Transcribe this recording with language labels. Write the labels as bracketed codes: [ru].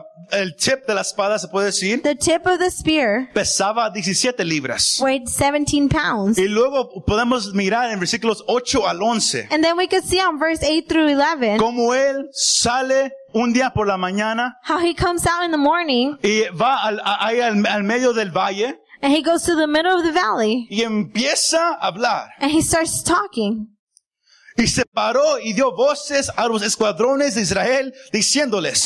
[es] el tip de la espada se puede decir, [en] the tip of the spear [es] pesaba 17 libras. [en] Weighed 17 pounds. [es] Y luego podemos mirar en versículos 8 al 11. [en] And then we could see on verse 8 through 11 [es] cómo él sale un día por la mañana, [en] how he comes out in the morning, [es] y va al medio del valle. [en] And he goes to the middle of the valley. [es] Y empieza a hablar. [en] And he starts talking. [es] Y se paró y dio voces a los escuadrones de Israel diciéndoles.